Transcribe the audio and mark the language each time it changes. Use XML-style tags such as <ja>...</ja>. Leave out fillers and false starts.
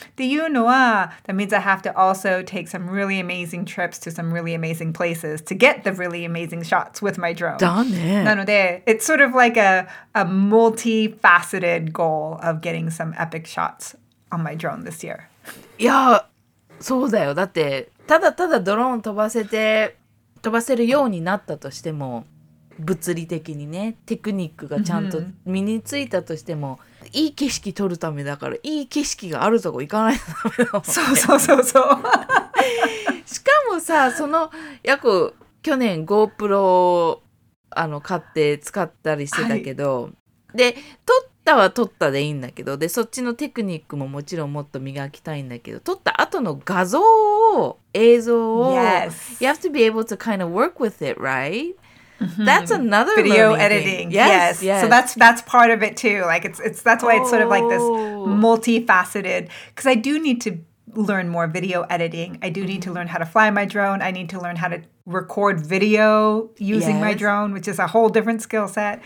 <en>Do you know that means I have to also take some really amazing trips to some really amazing places to get the really amazing shots with my drone.</en> <ja>なので,</ja> <en>it's sort of like a multifaceted goal of getting some epic shots on my drone this year. Yeah,</en> <ja>そうだよ。だってただただドローン飛ばせて飛ばせるようになったとしても、物理的にね、テクニックがちゃんと身についたとしても、いい景色撮るためだから、いい景色があるとこ行かないとダメだもん、ね。そうそうそうそう。しかもさ、その、約去年 GoPro を買って使ったりしてたけど、はい、で、撮ったは撮ったでいいんだけど、で、そっちのテクニックももちろんもっと磨きたいんだけど、撮った後の画像を、映像を、</ja> <en>yes. You have to be able to kind of work with it, right? Mm-hmm. That's another video editing. Yes. So that's part of it too. Like it's that's why it's sort of like this multifaceted. Because I do need to learn more video editing. I do need to learn how to fly my drone. I need to learn how to record video using my drone, which is a whole different skill set.</en>